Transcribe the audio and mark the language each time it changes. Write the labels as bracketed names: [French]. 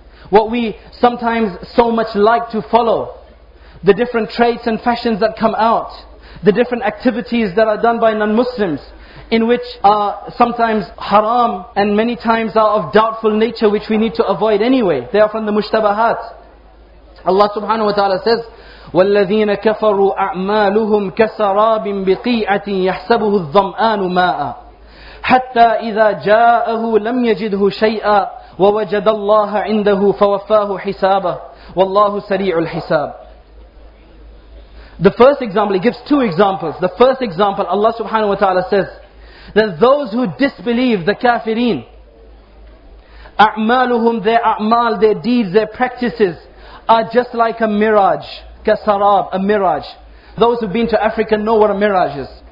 [English] What we sometimes so much like to follow. The different traits and fashions that come out. The different activities that are done by non-Muslims, in which are sometimes haram and many times are of doubtful nature, which we need to avoid anyway. They are from the mushtabahat. [Arabic] Allah subhanahu wa ta'ala says, وَالَّذِينَ كَفَرُوا أَعْمَالُهُمْ كَسَرَابٍ بِقِيْعَةٍ يَحْسَبُهُ الظَّمْآنُ مَاءً حَتَّى إِذَا جَاءَهُ لَمْ يَجِدْهُ شَيْئًا وَوَجَدَ اللَّهَ عِنْدَهُ فَوَفَّاهُ حِسَابَهُ وَاللَّهُ سَرِيعُ الْحِسَابِ. [English] The first example, he gives two examples. The first example, Allah subhanahu wa ta'ala says that those who disbelieve, the kafirin, أَعْمَالُهُمْ their أَعْمَالُ their deeds, their practices are just like a mirage. كَسَرَاب, a mirage. Those who've been to Africa know what a mirage is.